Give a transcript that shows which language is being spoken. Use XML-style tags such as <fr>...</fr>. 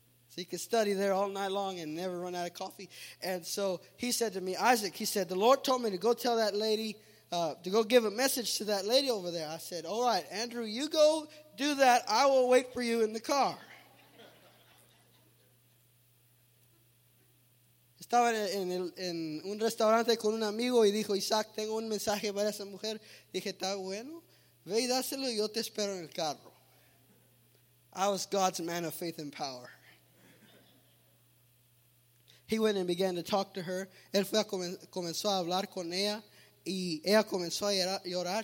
<en>So you could study there all night long and never run out of coffee. And so he said to me, Isaac, he said, the Lord told me to go tell that lady, to go give a message to that lady over there. I said, all right, Andrew, you go do that. I will wait for you in the car.</en> <es>Estaba en un restaurante con un amigo y dijo, Isaac, tengo un mensaje para esa mujer. Dije, está bueno, ve y dáselo y yo te espero en el carro.</es> <en>I was God's man of faith and power. He went and began to talk to her.</en> <es>Él fue a comenzó a hablar con ella y ella comenzó a llorar.</es>